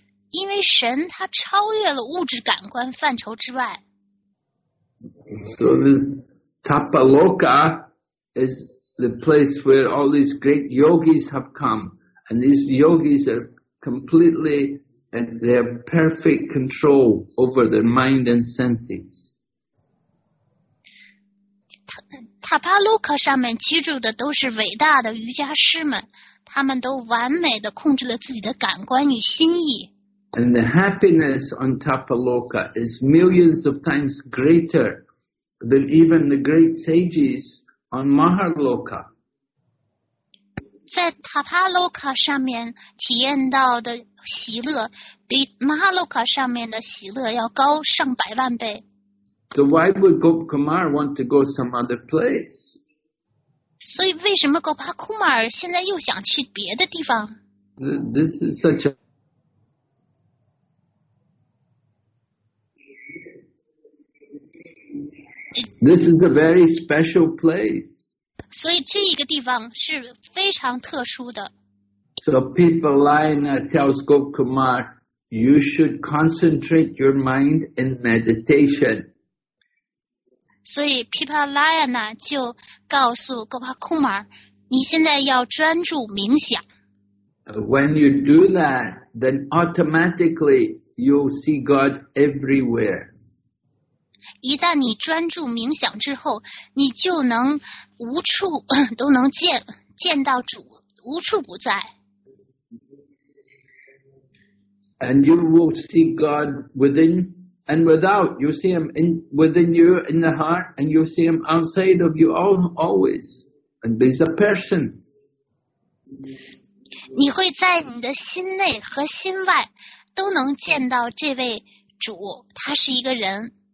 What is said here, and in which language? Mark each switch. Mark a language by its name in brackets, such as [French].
[Chinese] 因为神他超越了物质感官范畴之外。 [English] So the Tapaloka is the place where all these great yogis have come, and these yogis are completely. And they have perfect control over their mind and senses. [Chinese] Tapaloka 上面居住的都是伟大的瑜伽师们，他们都完美的控制了自己的感官与心意。 [English] And the happiness on Tapaloka is millions of times greater than even the great sages on Mahaloka. [Chinese] 在塔帕洛卡上面体验到的喜乐比马哈洛卡上面的喜乐要高上百万倍。 [English] So why would Gop Kumar want to go some other place? [Chinese] 所以为什么 Gopa Kumar 现在又想去别的地方？ [English] This is such a... This is a very special place. [Chinese] 所以这一个地方是非常特殊的。 [English] So Pipalayana tells Gop Kumar, you should concentrate your mind in meditation. [Chinese] 所以 Pipalayana 就告诉 Gopa Kumar, 你现在要专注冥想。 [English] When you do that, then automatically you'll see God everywhere. [Chinese] 一旦你专注冥想之后，你就能无处都能见到主，无处不在。 [English] And you will see God within and without. You see Him in within you in the heart, and you see Him outside of you all always. And He's a person. [Chinese] 你会在你的心内和心外都能见到这位主，他是一个人。